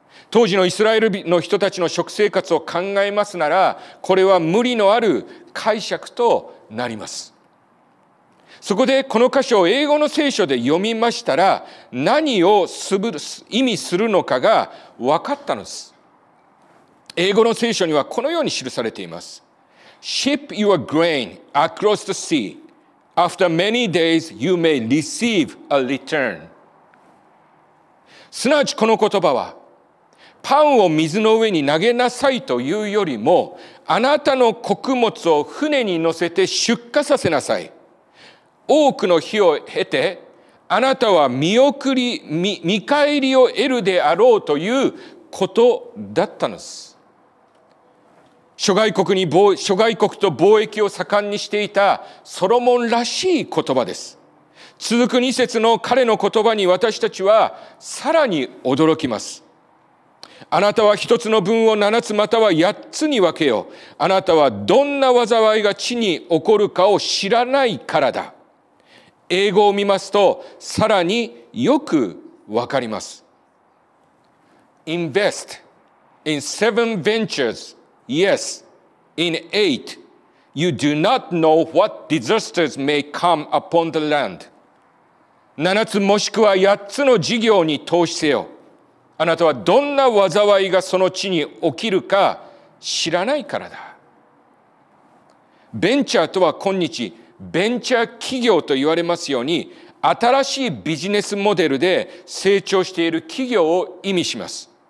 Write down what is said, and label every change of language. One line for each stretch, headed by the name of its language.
Japanese: 当時のイスラエルの人たちの食生活を考えますなら、これは無理のある解釈となります。そこでこの箇所を英語の聖書で読みましたら、何を意味するのかが分かったのです。英語の聖書にはこのように記されています。
English: Ship your grain across the sea. After many days, you may receive a return.
Japanese: すなわちこの言葉は、パンを水の上に投げなさいというよりも、あなたの穀物を船に乗せて出荷させなさい。多くの日を経て、あなたは見返りを得るであろうということだったのです。諸外国と貿易を盛んにしていたソロモンらしい言葉です。続く2節の彼の言葉に私たちはさらに驚きます。あなたは一つの分を7つまたは8つに分けよ。あなたはどんな災いが地に起こるかを知らないからだ。英語を見ますとさらによくわかります。
English: Invest in 7 ventures. Yes, in 8, you do not know what disasters may come upon the land.
Japanese: 7つもしくは8つの事業に投資せよ。あなたはどんな災いがその地に起きるか知らないからだ。ベンチャーとは今日ベンチャー企業と言われますように、新しいビジネスモデルで成長している企業を意味します。